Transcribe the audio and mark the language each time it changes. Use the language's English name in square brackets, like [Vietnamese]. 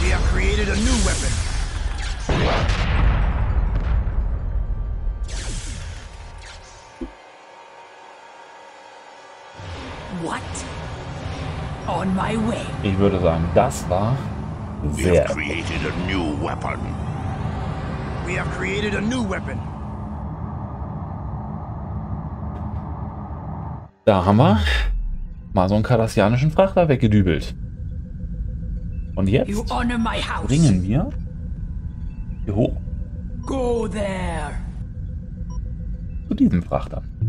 [English] created a new weapon. What? On my way. [German] Ich würde sagen, das war sehr. [English] We have created a new weapon. We have created a new weapon. [German] Da haben wir mal so einen kardassianischen Frachter weggedübelt. Und jetzt bringen wir hier hoch. [English] Go there. [German] Zu diesem Frachter.